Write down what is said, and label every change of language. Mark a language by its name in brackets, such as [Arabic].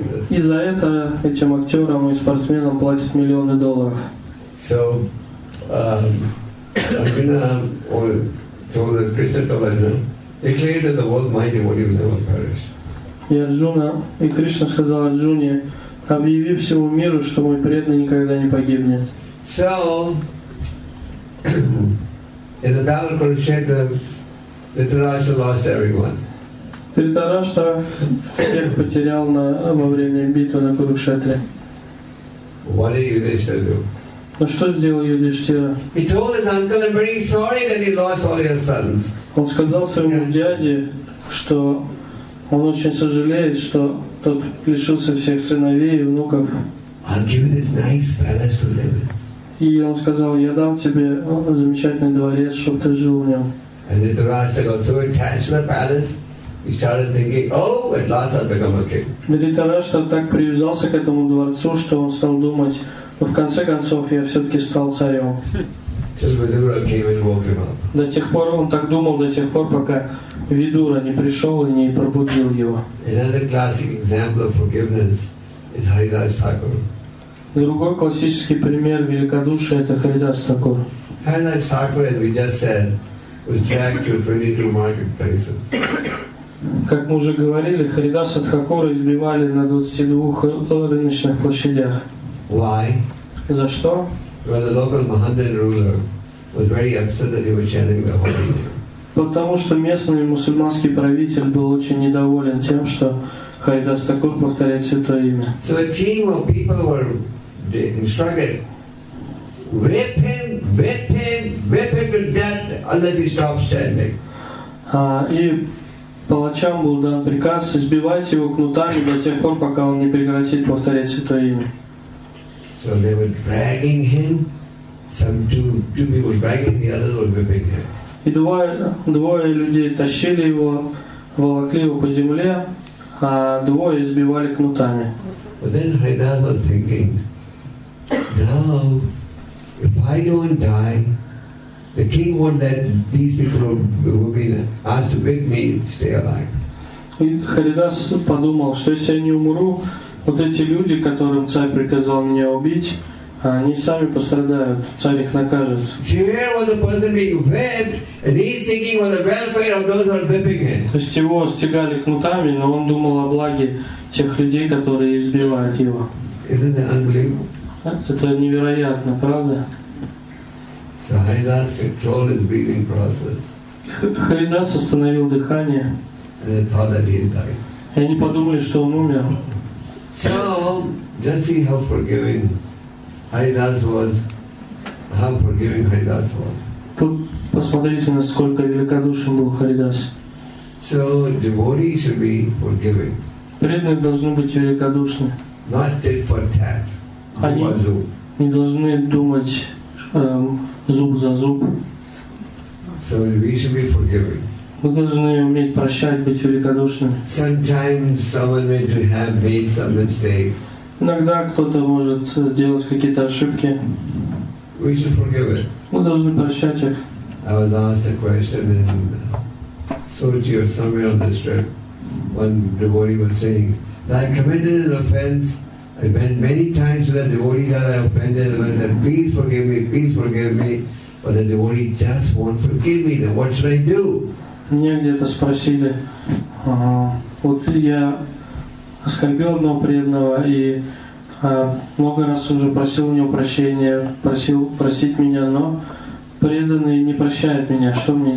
[Russian] И за это этим актерам и спортсменам платят миллионы долларов. [English] So, Arjuna, so that Krishna told Arjuna, declare that the world my devotee will never perish. [Russian] И Арджуна, и Кришна сказал Арджуне, объяви всему миру, что мой преданный никогда не погибнет. [English] So, in the battle of Kurukshetra, Dhritarashtra lost everyone. [Russian] Dhritarashtra всех потерял во время битвы на Курукшетре. [English] What did Yudhishthira do? [Russian] Но что сделал Юдиштхира? [English] He told his uncle, "I'm very sorry that he lost all his sons." [Russian] Он сказал своему дяде, что он очень сожалеет, что тот лишился всех сыновей и внуков. [English] I'll give you this nice palace to live in. [Russian] И он сказал, я дам тебе замечательный дворец, чтобы ты жил в нем. [English] And Dhritarashtra got so attached to the palace, he started thinking, "Oh, at last I'll become a king." [Russian] Dhritarashtra так привязался к этому дворцу, что он стал думать, но в конце концов я все-таки стал царем. [English] Till Vidura came and woke him up. [Russian] До тех пор он так думал, до тех пор, пока Видура не пришел и не пробудил его. [English] Another classic example of forgiveness is Haridas Thakur. [Russian] Другой классический пример великодушия — это Харидас Такур. [English] Haridas Thakur, as we just said, was dragged to 22 marketplaces. [Russian] Как мы уже говорили, Харидаса Тхакура избивали на 22 рыночных площадях. [English] Why? [Russian] За что? [English] Because the local Mohammedan ruler was very upset that he was chanting the holy name. [Russian] Потому что местный мусульманский правитель был очень недоволен тем, что Харидас Тхакур повторяет святое имя. [English] So a team of people were instructed, whip him, whip him, whip him to death unless he stops chanting. [Russian] И палачам был дан приказ избивать его кнутами до тех пор, пока он не прекратит повторять святое имя. [English] So they were dragging him. Some two people were dragging, the others were whipping him. [Russian] И двое людей тащили его, волокли его по земле, а двое избивали кнутами. [English] But then Haridas was thinking, now, if I don't die, the king won't let these people who have been asked to whip me stay alive. [Russian] И Харидас подумал, что если я не умру, вот эти люди, которым царь приказал меня убить, они сами пострадают, царь их накажет. [English] Here was a person being whipped, and he's thinking of the welfare of those who are whipping him. [Russian] То есть его стегали кнутами, но он думал о благе тех людей, которые избивают его. [English] Isn't it unbelievable? [Russian] Это невероятно, правда? [English] So Haridas controlled his breathing process. [Russian] Харидас остановил дыхание. [English] And they thought that he died. [Russian] И они подумали, что он умер. [English] So, just see how forgiving Haridas was. How forgiving Haridas was. [Russian] Тут посмотрите, насколько великодушен был Харидас. [English] So, devotees should be forgiving. [Russian] Преданные должны быть великодушны. [English] Not tit for tat. [Russian] Они не должны думать зуб за зуб. [English] So, we should be forgiving. [Russian] Мы должны уметь прощать, быть великодушными. [English] Sometimes someone may have made some mistake. [Russian] Иногда кто-то может делать какие-то ошибки. [English] We should forgive it. [Russian] Мы должны прощать их. [English] I was asked a question in Sochi or somewhere on this trip. One devotee was saying, "I committed an offense I went many times to the devotee that I offended him and said, please forgive me, please forgive me. But the devotee just won't forgive me. Then what should I do? [Russian] Мне где-то спросили, вот я оскорбил одного преданного и много раз уже просил у него прощения, просил простить меня, но преданный не прощает меня, что мне